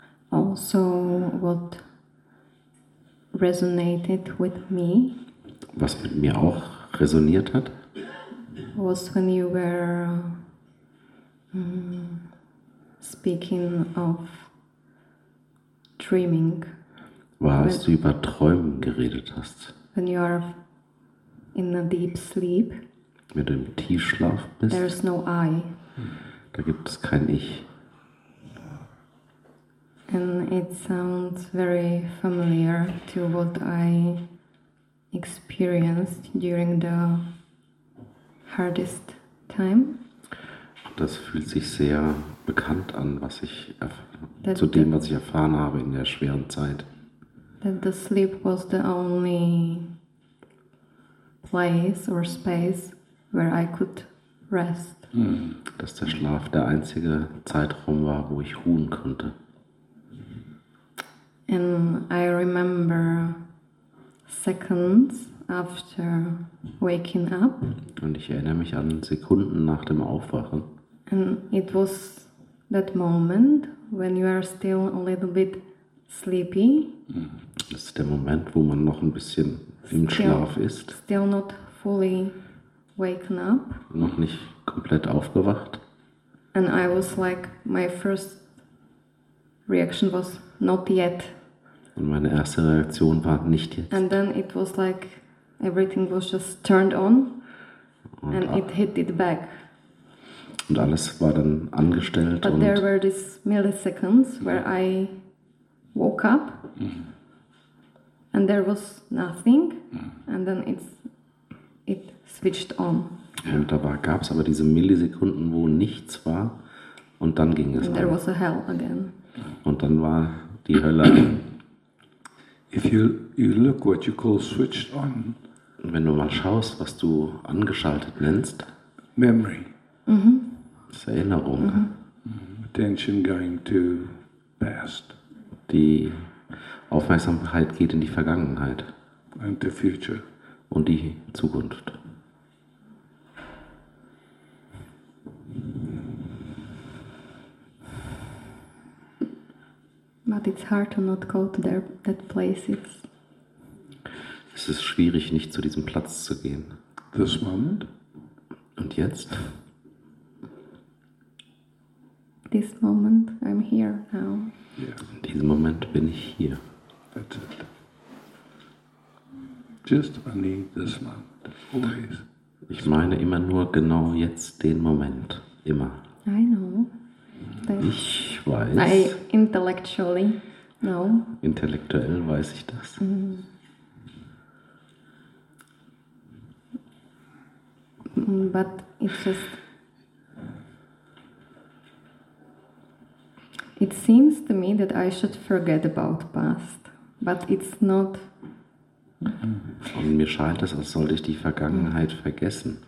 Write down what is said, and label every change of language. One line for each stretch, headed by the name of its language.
English: Also, what resonated with me?
German: Was mit mir auch resoniert hat?
English: Was when you were speaking of dreaming?
German: War, als du über Träumen geredet hast?
English: When you are in a deep sleep.
German: Wenn du im Tiefschlaf bist.
English: There is no I.
German: Da gibt es kein Ich.
English: And it sounds very familiar to what I experienced during the hardest time.
German: Das fühlt sich sehr bekannt an, was ich zu dem, was ich erfahren habe in der schweren Zeit.
English: That the sleep was the only place or space where I could rest.
German: Dass der Schlaf der einzige Zeitraum war, wo ich ruhen konnte.
English: And I remember seconds after waking up.
German: Und ich erinnere mich an Sekunden nach dem Aufwachen.
English: And it was that moment when you are still a little bit sleepy.
German: Das ist der Moment, wo man noch ein bisschen im Schlaf ist.
English: Still not fully waken up.
German: Noch nicht komplett aufgewacht.
English: And I was like, my first reaction was not yet.
German: Und meine erste Reaktion war nicht jetzt.
English: And then it was like everything was just turned on and it hit it back.
German: Und alles war dann angestellt.
English: But there were these milliseconds where I woke up and there was nothing and then it switched on.
German: Und da gab es aber diese Millisekunden, wo nichts war und dann ging es an.
English: There was a hell again.
German: Und dann war die Hölle.
English: If you look what you call switched on,
German: wenn du mal schaust, was du angeschaltet nennst,
English: memory,
German: das ist Erinnerung,
English: attention going to past,
German: die Aufmerksamkeit geht in die Vergangenheit,
English: and the future,
German: und die Zukunft.
English: But it's hard to not go to that place.
German: Es ist schwierig, nicht zu diesem Platz zu gehen.
English: This moment.
German: Und jetzt?
English: This moment, I'm here now. Yeah.
German: In diesem Moment bin ich hier.
English: That's it. Just only this moment, always.
German: Ich meine immer nur genau jetzt den Moment, immer.
English: I know.
German: Ich weiß.
English: I intellectually know.
German: Intellektuell weiß ich das.
English: But it's just. It seems to me that I should forget about past, but it's not.
German: Und mir scheint es, als sollte ich die Vergangenheit vergessen.